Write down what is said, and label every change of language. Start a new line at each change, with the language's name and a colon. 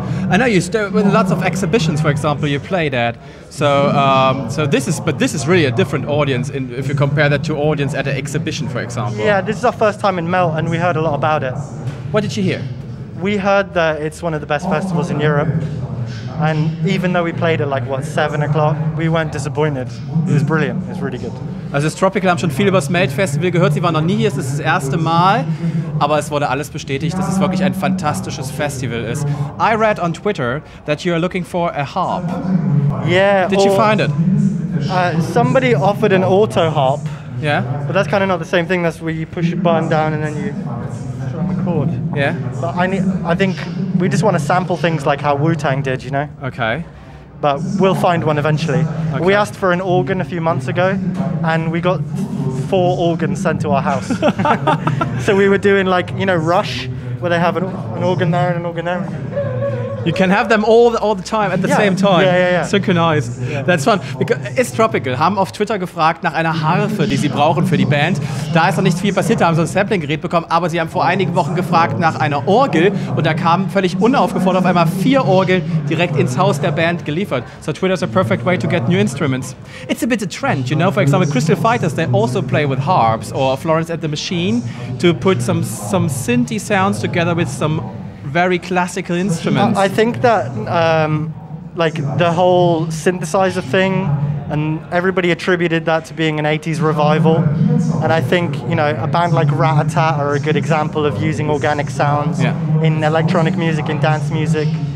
English: I know, you still with lots of exhibitions, for example, you played at. So this is really a different audience if you compare that to audience at an exhibition, for example. Yeah, this is our first time in Melt and we heard a lot about it. What did you hear? We heard that it's one of the best festivals in Europe. And even though we played at like, what, 7 o'clock, we weren't disappointed. It was brilliant. It was really good.
German: Also Is Tropical haben schon viel über das Melt-Festival gehört. Sie waren noch nie hier, es ist das erste Mal. Aber es wurde alles bestätigt, dass es wirklich ein fantastisches Festival ist.
English: I read on Twitter that you are looking for a harp. Yeah. Did you find it? Somebody offered an auto harp. Yeah. But that's kind of not the same thing. That's where you push a button down and then you strum a chord. Yeah. But I think... We just want to sample things like how Wu-Tang did, you know? Okay. But we'll find one eventually. Okay. We asked for an organ a few months ago, and we got 4 organs sent to our house. So we were doing like, you know, Rush, where they have an organ there and an organ there. You can have them all the time at the same time. Yeah, yeah, yeah. Synchronized. Yeah. That's fun.
German: Is Tropical haben auf Twitter gefragt nach einer Harfe, die sie brauchen für die Band. Da ist noch nicht viel passiert, da haben sie ein Sampling-Gerät bekommen, aber sie haben vor einigen Wochen gefragt nach einer Orgel und da kamen völlig unaufgefordert auf einmal 4 Orgeln direkt ins Haus der Band geliefert.
English: So Twitter's a perfect way to get new instruments. It's a bit a trend, you know, for example, Crystal Fighters, they also play with harps or Florence at the Machine to put some synthy sounds together with some very classical instruments. I think that like the whole synthesizer thing, and everybody attributed that to being an 80s revival, and I think, you know, a band like Rat-A-Tat are a good example of using organic sounds in electronic music and dance music.